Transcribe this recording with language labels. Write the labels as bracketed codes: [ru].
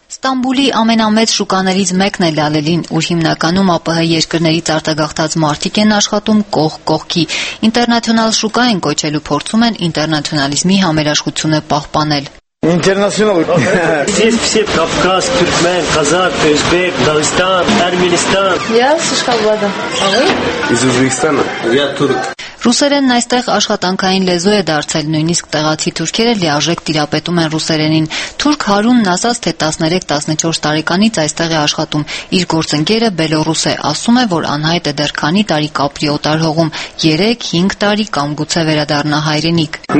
[hy] Ստամբուլի ամենամեծ շուկաներից մեկն է Լալելին, ուր հիմնականում ԱՊՀ երկրներից արտագաղթած մարդիկ են աշխատում կողք-կողքի։ Ինտերնացիոնալ շուկա են կոչելու փորձում են ինտերնացիոնալիզմի համերաշխությունը պահպանել։ [ru] Интернационал. Здесь все Кавказ, Туркмен, Казах, Узбек, Дагестан, Армянистан. Я с Ашхабада. А вы? Из Узбекистана. Я турк. [hy] Ռուսերենն այստեղ աշխատանքային լեզու է դարձել, նույնիսկ տեղացի թուրքերը լիարժեք տիրապետում են ռուսերենին։ Թուրք Հարունն ասաց, թե 13-14 տարեկանից այստեղ է աշխատում։ Իր գործընկերը բելոռուս է, ասում է, որ անհայտ է դեր քանի տարի կապրի օտարհողում, 3-5 տարի կամ գուցե վերադառնա հայրենիք։